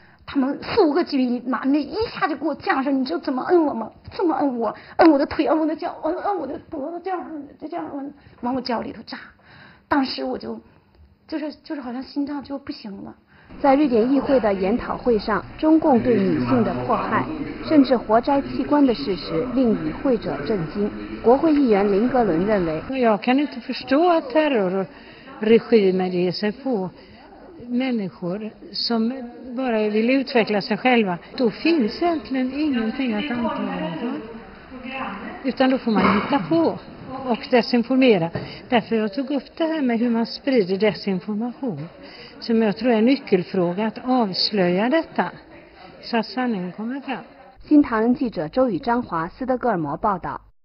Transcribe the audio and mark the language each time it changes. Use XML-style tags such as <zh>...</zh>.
<zh>他们4个居民拿那一下就给我降上，你就怎么摁我吗？这么摁我，摁我的腿，摁我的脚，摁我的脖子，这样，就这样摁，往我脚里头扎。当时我就，就是好像心脏就不行了。在瑞典议会的研讨会上，中共对女性的迫害，甚至活摘器官的事实，令与会者震惊。国会议员林格伦认为。</zh> <sv>Människor som bara vill utveckla sig själva, då finns egentligen ingenting att anklaga dem. Utan då får man hitta på och desinformera. Därför jag tog upp det här med hur man sprider desinformation, som jag tror är en nyckelfråga att avslöja detta, så att sanningen kommer fram.</sv> <zh>新唐人记者周宇、张华，斯德哥尔摩报道。</zh>